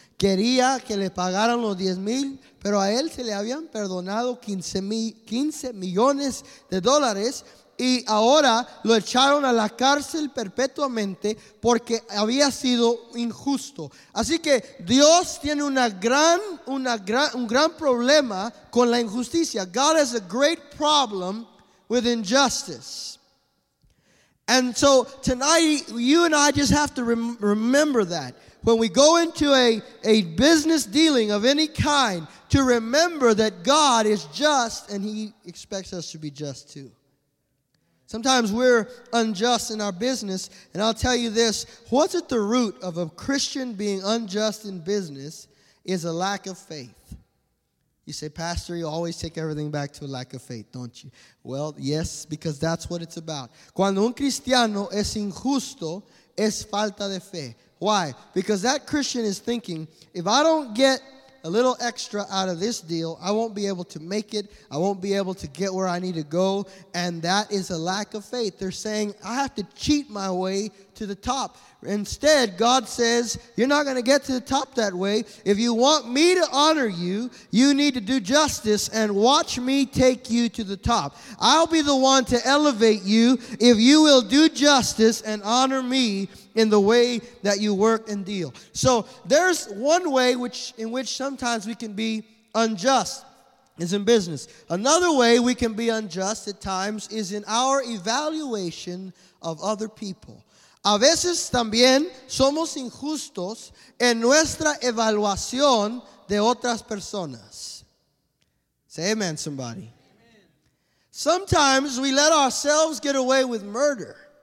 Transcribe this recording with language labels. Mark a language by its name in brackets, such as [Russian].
[Spanish] Quería que le pagaran los 10 mil, pero a él se le habían perdonado 15 millones de dólares y ahora lo echaron a la cárcel perpetuamente porque había sido injusto. Así que Dios tiene un gran problema con la injusticia. [English] God has a great problem with injustice. And so tonight, you and I just have to remember that. When we go into a business dealing of any kind, to remember that God is just and he expects us to be just too. Sometimes we're unjust in our business, and I'll tell you this, what's at the root of a Christian being unjust in business is a lack of faith. You say, Pastor, you always take everything back to a lack of faith, don't you? Well, yes, because that's what it's about. [Spanish] Cuando un cristiano es injusto, es falta de fe. [English] Why? Because that Christian is thinking, if I don't get a little extra out of this deal, I won't be able to make it. I won't be able to get where I need to go. And that is a lack of faith. They're saying, I have to cheat my way to the top. Instead, God says, you're not going to get to the top that way. If you want me to honor you, you need to do justice and watch me take you to the top. I'll be the one to elevate you if you will do justice and honor me in the way that you work and deal. So there's one way in which sometimes we can be unjust is in business. Another way we can be unjust at times is in our evaluation of other people. [Spanish] A veces también somos injustos en nuestra evaluación de otras personas. [English] Say amen, somebody. Amen. Sometimes we let ourselves get away with murder.